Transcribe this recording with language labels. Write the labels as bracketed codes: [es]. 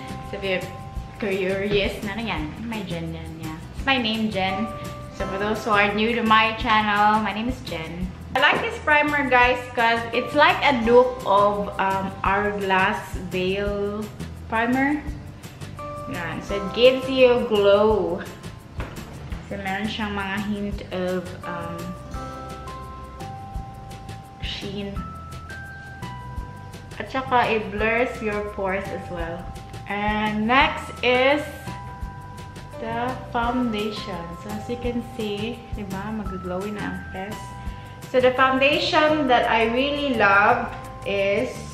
[en] So if you're curious, na yan. My Gen yan, yeah. It's my name, Jen. So for those who are new to my channel, my name is Jen. I like this primer guys because it's like a dupe of Hourglass Veil primer. Yeah, so it gives you glow. [tl] So, meron siyang mga hint of sheen. At saka, [en] it blurs your pores as well. And next is the foundation. [tl] So, [en] as you can see, [tl] diba, mag-glowy na ang face. [en] So, the foundation that I really love is...